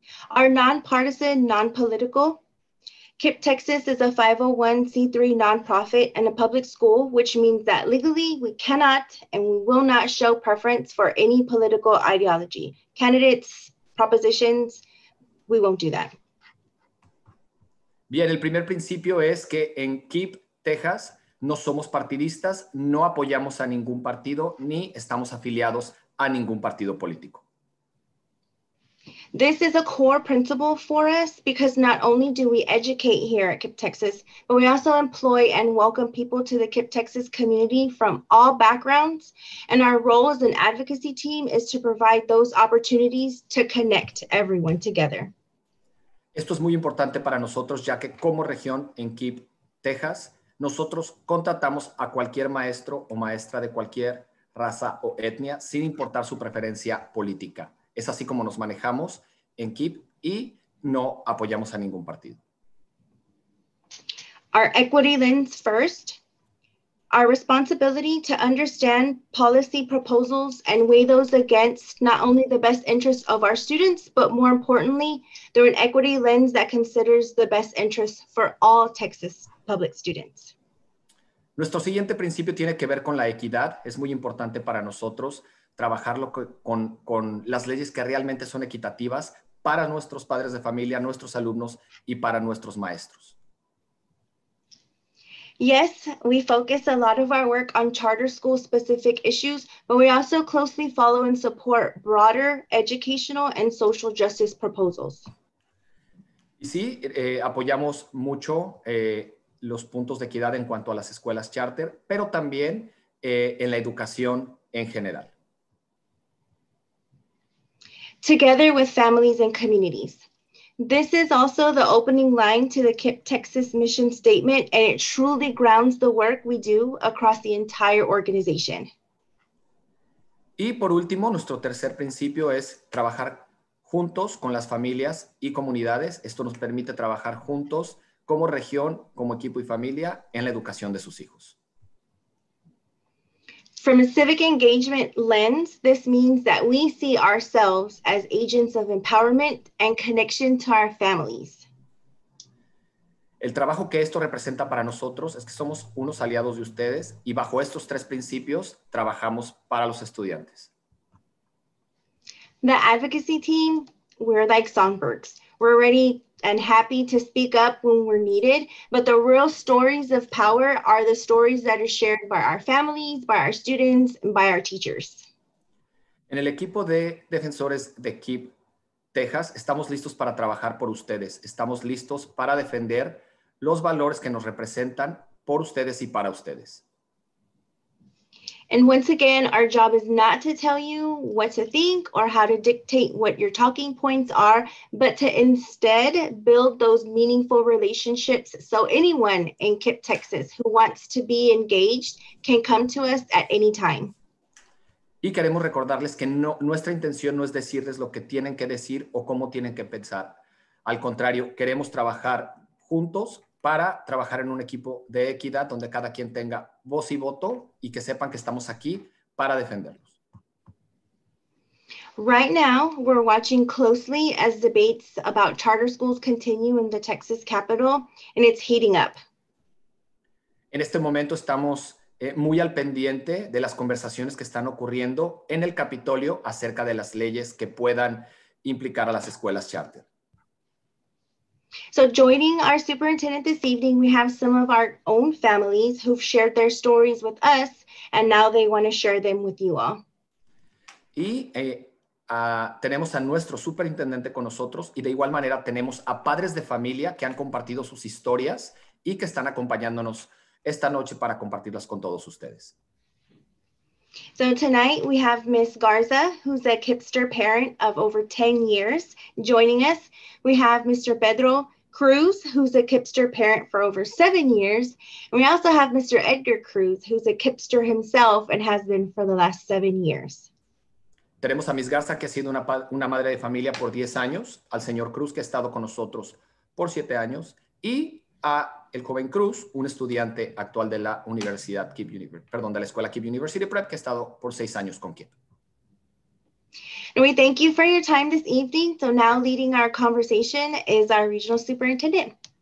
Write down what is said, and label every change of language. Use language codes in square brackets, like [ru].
[en] Our nonpartisan, non-political, KIPP Texas is a 501c3 nonprofit and a public school, which means that legally we cannot and we will not show preference for any political ideology. Candidates, propositions, we won't do that. [es] Bien, el primer principio es que en KIPP Texas no somos partidistas, no apoyamos a ningún partido ni estamos afiliados a ningún partido político. [en] This is a core principle for us because not only do we educate here at KIPP Texas, but we also employ and welcome people to the KIPP Texas community from all backgrounds. And our role as an advocacy team is to provide those opportunities to connect everyone together. [es] Esto es muy importante para nosotros, ya que como región en KIPP Texas, nosotros contratamos a cualquier maestro o maestra de cualquier raza o etnia, sin importar su preferencia política. Es así como nos manejamos en KIPP y no apoyamos a ningún partido. [en] Our equity lens first. our responsibility to understand policy proposals and weigh those against not only the best interests of our students, but more importantly, through an equity lens that considers the best interests for all Texas public students. [es] Nuestro siguiente principio tiene que ver con la equidad. Es muy importante para nosotros trabajarlo con las leyes que realmente son equitativas para nuestros padres de familia, nuestros alumnos y para nuestros maestros. [en] Yes, we focus a lot of our work on charter school specific issues, but we also closely follow and support broader educational and social justice proposals. [es] Sí, apoyamos mucho los puntos de equidad en cuanto a las escuelas charter, pero también en la educación en general. [en] Together with families and communities. This is also the opening line to the KIPP Texas mission statement, and it truly grounds the work we do across the entire organization. [es] Y por último, nuestro tercer principio es trabajar juntos con las familias y comunidades. Esto nos permite trabajar juntos como región, como equipo y familia en la educación de sus hijos. [en] From a civic engagement lens, this means that we see ourselves as agents of empowerment and connection to our families. [es] El trabajo que esto representa para nosotros es que somos unos aliados de ustedes y bajo estos tres principios trabajamos para los estudiantes. [en] The advocacy team, we're like songbirds. We're ready and happy to speak up when we're needed, but the real stories of power are the stories that are shared by our families, by our students, and by our teachers. [es] En el equipo de defensores de KIPP Texas, estamos listos para trabajar por ustedes. Estamos listos para defender los valores que nos representan por ustedes y para ustedes. [en] And once again, our job is not to tell you what to think or how to dictate what your talking points are, but to instead build those meaningful relationships so anyone in KIPP Texas who wants to be engaged can come to us at any time. [es] Y queremos recordarles que no, nuestra intención no es decirles lo que tienen que decir o cómo tienen que pensar. Al contrario, queremos trabajar juntos para trabajar en un equipo de equidad donde cada quien tenga voz y voto y que sepan que estamos aquí para defenderlos. [en] Right now, we're watching closely as debates about charter schools continue in the Texas Capitol, and it's heating up. [es] En este momento estamos muy al pendiente de las conversaciones que están ocurriendo en el Capitolio acerca de las leyes que puedan implicar a las escuelas charter. [en] So joining our superintendent this evening, we have some of our own families who've shared their stories with us, and now they want to share them with you all. [es] Y tenemos a nuestro superintendente con nosotros, y de igual manera tenemos a padres de familia que han compartido sus historias y que están acompañándonos esta noche para compartirlas con todos ustedes. [en] So tonight we have Ms. Garza, who's a KIPPster parent of over 10 years, joining us. We have Mr. Pedro Cruz, who's a KIPPster parent for over 7 years. And we also have Mr. Edgar Cruz, who's a KIPPster himself and has been for the last 7 years. [es] Tenemos a Ms. Garza, que ha sido una madre de familia por 10 años, al señor Cruz, que ha estado con nosotros por 7 años, y a el joven Cruz, un estudiante actual de la Universidad KIPP University, perdón, de la Escuela KIPP University Prep, que ha estado por 6 años con KIPP. [en] And we thank you for your time this evening. So now leading our conversation is our regional superintendent.